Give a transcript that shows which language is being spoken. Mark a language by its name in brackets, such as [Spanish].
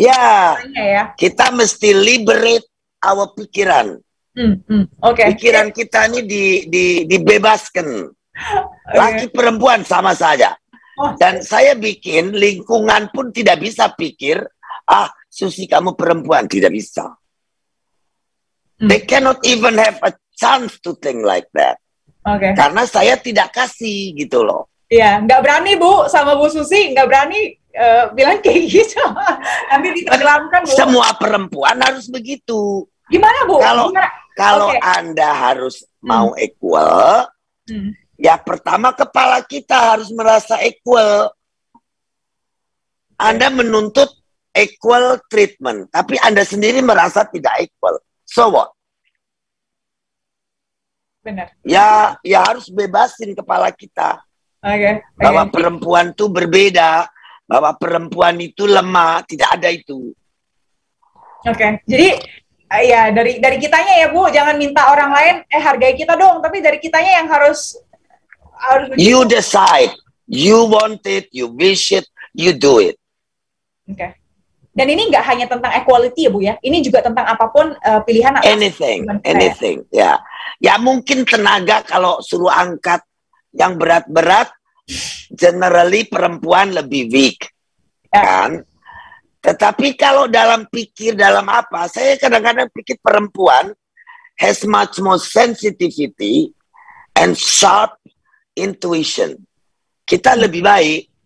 [Indonesian] kitanya, ya. Kita mesti [English] liberate our [Indonesian] pikiran. Okay. Pikiran kita ini dibebaskan. Laki perempuan sama saja. Oh. Dan saya bikin lingkungan pun tidak bisa pikir, ah, Susi kamu perempuan, tidak bisa. [English] They cannot even have a chance to think like that. Okay. [Indonesian] Karena saya tidak kasih gitu loh. Iya, nggak berani, Bu, sama Bu Susi, nggak berani. bilang kayak gitu. Nanti ditenggelamkan. Semua perempuan harus begitu. Gimana, Bu? Kalau Anda harus mau equal, ya pertama kepala kita harus merasa equal. Anda menuntut equal treatment, tapi Anda sendiri merasa tidak equal. [English] So what? [Indonesian] Benar. Ya, ya harus bebasin kepala kita. Okay. Bahwa perempuan itu berbeda, bahwa perempuan itu lemah, tidak ada itu. Oke. Okay. Jadi ya dari kitanya ya, Bu, jangan minta orang lain hargai kita dong, tapi dari kitanya yang harus [English] you decide. You want it, you wish it, you do it. [Indonesian] Oke. Okay. Dan ini nggak hanya tentang equality ya, Bu ya. Ini juga tentang apapun pilihan. Anything. Ya. Ya mungkin tenaga kalau suruh angkat yang berat-berat, generally perempuan lebih weak, ya. Kan? Tetapi kalau dalam pikir dalam apa, saya kadang-kadang pikir perempuan [English] has much more sensitivity and sharp intuition. [Indonesian] Kita lebih baik.